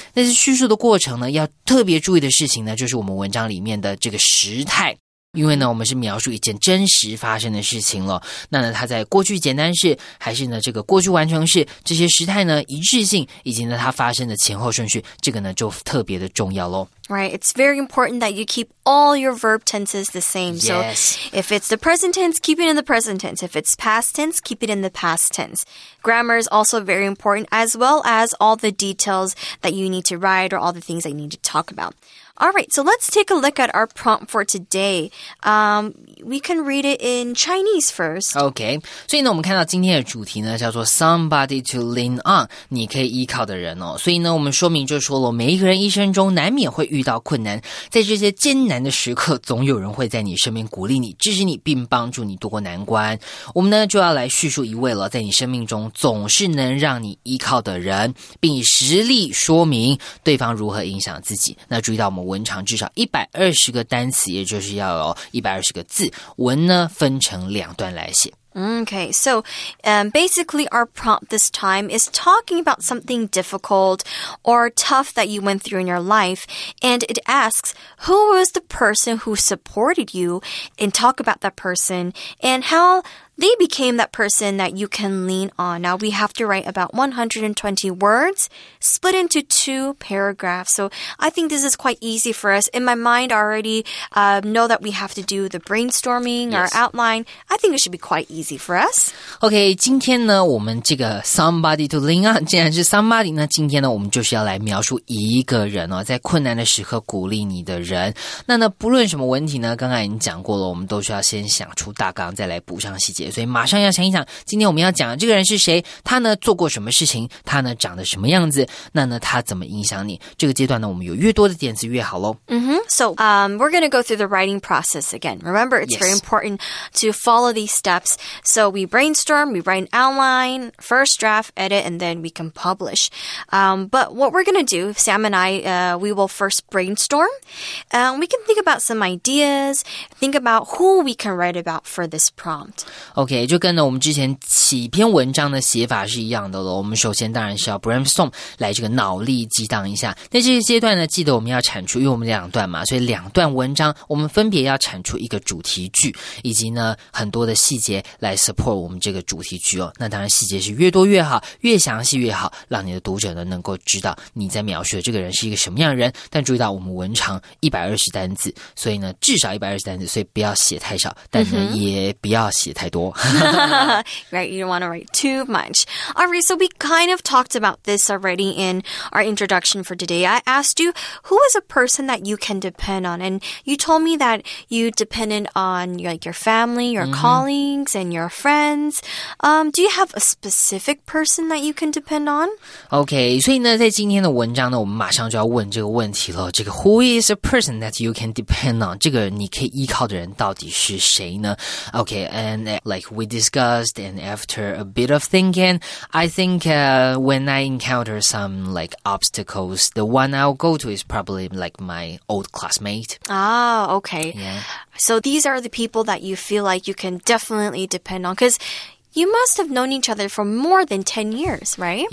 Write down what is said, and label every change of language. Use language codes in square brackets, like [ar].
[zh] 那在叙述的过程呢，要特别注意的事情呢，就是我们文章里面的这个时态。因为呢我们是描述一件真实发生的事情了，那呢它在过去简单式还是呢这个过去完成式，这些时态呢一致性以及呢它发生的前后顺序，这个呢就特别的重要咯。 [en] Right, it's very important that you keep all your verb tenses the same. Yes. So if it's the present tense, keep it in the present tense. If it's past tense, keep it in the past tense. Grammar is also very important, as well as all the details that you need to write or all the things that you need to talk about. All right, so let's take a look at our prompt for today. We can read it in Chinese first. [zh] Okay, 所以呢我们看到今天的主题呢叫做 [en] Somebody to lean on, [zh] 你可以依靠的人哦。所以呢我们说明就说了，每一个人一生中难免会遇到困难，在这些艰难的时刻，总有人会在你身边鼓励你、支持你，并帮助你度过难关。我们呢就要来叙述一位了，在你生命中总是能让你依靠的人，并以实例说明对方如何影响自己。那注意到我们文长至少120个单词，也就是要有120个字，文呢分成两段来写。 [en] Okay, so basically our prompt this time is talking about something difficult or tough that you went through in your life, and it asks, who was the person who supported you, and talk about that person, and how they became that person that you can lean on. Now we have to write about 120 words split into two paragraphs. So I think this is quite easy for us. In my mind, I already know that we have to do the brainstorming, our outline. I think it should be quite easy for us. [zh] Okay, 今天呢我们这个 [en] somebody to lean on, [zh] 既然是 somebody, 那今天呢我们就是要来描述一个人哦，在困难的时刻鼓励你的人。那呢不论什么问题呢，刚刚已经讲过了，我们都需要先想出大纲，再来补上细节。所以马上要想一想今天我们要讲这个人是谁，他呢做过什么事情，他呢长得什么样子，那呢他怎么影响你，这个阶段呢我们有越多的点子越好咯。 [en] So, we're going to go through the writing process again. Remember, it's very important to follow these steps. So we brainstorm, we write an outline, first draft, edit, and then we can publish. But what we're going to do, Sam and I, we will first brainstorm. We can think about some ideas, think about who we can write about for this prompt. [zh] Okay, 就跟呢我们之前起篇文章的写法是一样的了。我们首先当然是要 brainstorm 来这个脑力激荡一下。那这个阶段呢，记得我们要产出，因为我们两段嘛，所以两段文章我们分别要产出一个主题句，以及呢很多的细节来 support 我们这个主题句哦。那当然细节是越多越好，越详细越好，让你的读者呢能够知道你在描述的这个人是一个什么样的人。但注意到我们文长120单字，所以呢至少120单字，所以不要写太少，但是呢、mm-hmm. 也不要写太多。 [en] Right, you don't want to write too much. Alright, so we kind of talked about this already in our introduction for today. I asked you, who is a person that you can depend on? And you told me that you depended on like, your family, your、mm-hmm. colleagues, and your friends. Do you have a specific person that you can depend on? [zh] Okay, 所以呢在今天的文章呢我们马上就要问这个问题了。这个 [en] who is a person that you can depend on? [zh] 这个你可以依靠的人到底是谁呢？ [en] Okay, and like we discussed, and after a bit of thinking, I think、when I encounter some like obstacles, the one I'll go to is probably like my old classmate. Ah, okay. Yeah. So these are the people that you feel like you can definitely depend on, because you must have known each other for more than 10 years, right?